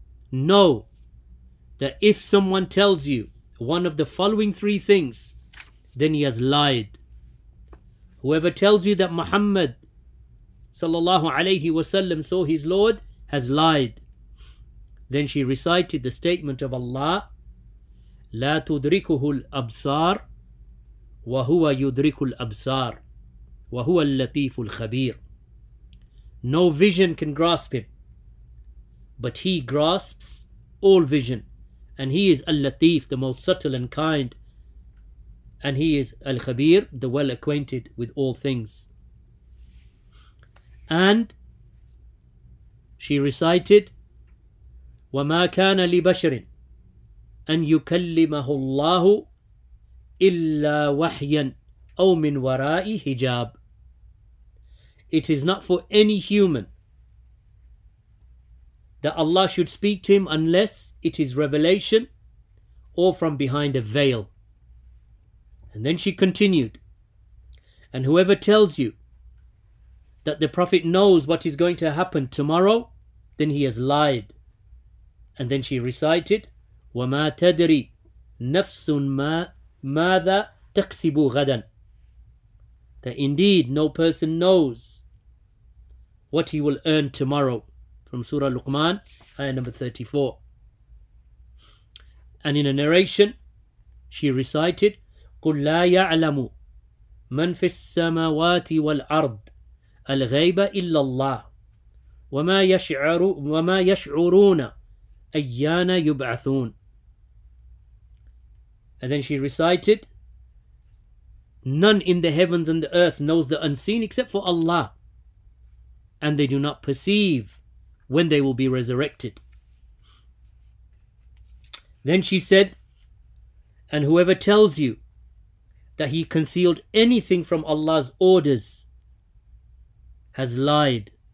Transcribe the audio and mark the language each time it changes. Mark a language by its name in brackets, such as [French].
[English] Know that if someone tells you one of the following three things, then he has lied. Whoever tells you that Muhammad sallallahu alayhi wasallam saw his Lord has lied. Then she recited the statement of Allah, [Arabic] لا تدركه الأبصار وهو يدرك الأبصار وهو اللطيف الخبير. [English] No vision can grasp him, but he grasps all vision, and he is al-latif, the most subtle and kind. And he is Al-Khabir, the well acquainted with all things. And she recited, [Arabic] وَمَا كَانَ لِبَشْرٍ أَن يُكَلِّمَهُ اللَّهُ إِلَّا وَحْيًا أَوْ مِنْ وَرَاءِ حِجَابٍ. [English] It is not for any human that Allah should speak to him unless it is revelation or from behind a veil. And then she continued, and whoever tells you that the Prophet knows what is going to happen tomorrow, then he has lied. And then she recited, [Arabic] وَمَا تَدْرِي نَفْسٌ مَاذَا تَكْسِبُ غَدًا. [English] That indeed no person knows what he will earn tomorrow. From Surah Luqman, ayah number 34. And in a narration, she recited, [Arabic] قُلْ لَا يَعْلَمُ مَنْ فِي السَّمَاوَاتِ وَالْأَرْضِ الْغَيْبَ إِلَّا اللَّهِ وَمَا يَشْعُرُونَ أَيَّانَ يُبْعَثُونَ. [English] And then she recited, none in the heavens and the earth knows the unseen except for Allah, and they do not perceive when they will be resurrected. Then she said, and whoever tells you that he concealed anything from Allah's orders has lied.